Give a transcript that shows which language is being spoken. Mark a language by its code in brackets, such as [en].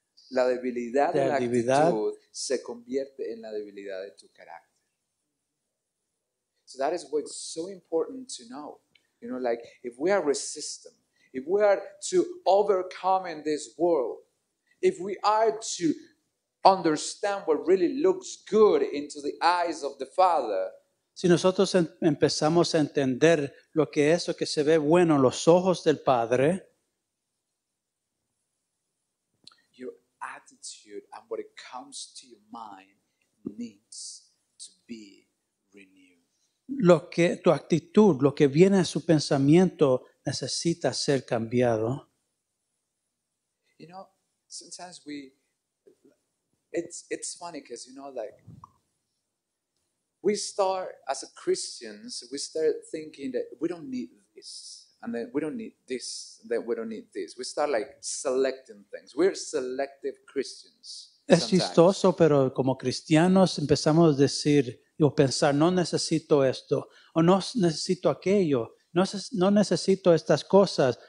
[es] La debilidad de la actitud se convierte en la debilidad de tu carácter. [en] So that is what's so important to know. You know, like if we are resistant, if we are to overcome in this world, if we are to understand what really looks good into the eyes of the Father. [es] Si nosotros empezamos a entender lo que es lo que se ve bueno en los ojos del Padre. [en] And what it comes to your mind needs to be renewed. [es] Lo que tu actitud, lo que viene a su pensamiento, necesita ser cambiado. [en] You know, sometimes it's funny because, you know, like, we start, as a Christians, we start thinking that we don't need this. And then we don't need this, then we don't need this. We start like selecting things. We're selective Christians. [es] Es chistoso, pero como cristianos empezamos a decir, o pensar, no necesito esto, o no necesito aquello, no necesito estas cosas.